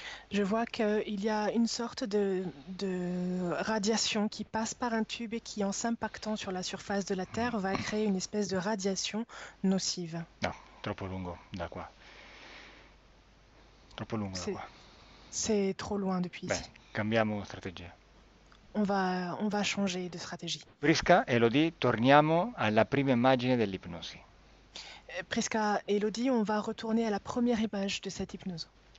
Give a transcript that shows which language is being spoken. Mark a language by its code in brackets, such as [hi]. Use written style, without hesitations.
[fr] Je vois qu'il y a une sorte de radiation qui passe par un tube et qui, en s'impactant sur la surface de la Terre, va créer une espèce de radiation nocive. [it] Troppo lungo da qua. Troppo lungo da qua. [fr] C'est trop loin depuis [it] Bene, [fr] ici. [it] cambiamo strategia. [fr] On va changer de stratégie. [it] Prisca, Elodie, torniamo alla prima immagine dell'ipnosi. [fr] Prisca et Elodie, on va retourner à la première image de cette hypnose.